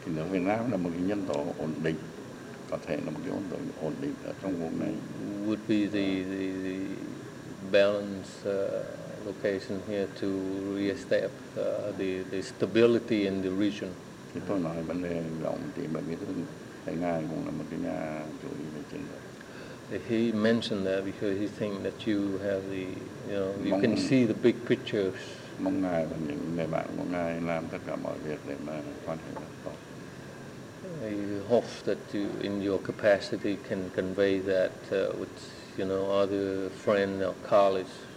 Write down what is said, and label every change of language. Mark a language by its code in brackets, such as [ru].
[vi] Việt Nam là một cái nhân tố ổn định, có thể là một cái nhân tố ổn định ở trong vùng này. [en] Would be the balance. Location here to re-establish the stability in the region. [vi] Tôi nói vấn đề rộng thì bởi vì thấy ngài cũng là một cái nhà chủ ý về chiến lược. [en] He mentioned that because he think that you have the, you know, you can see the big pictures. [vi] Mong ngài và những người bạn của ngài làm tất cả mọi việc để mà quan hệ tốt. [en] I hope that you, in your capacity, can convey that with, you know, other friend or colleagues.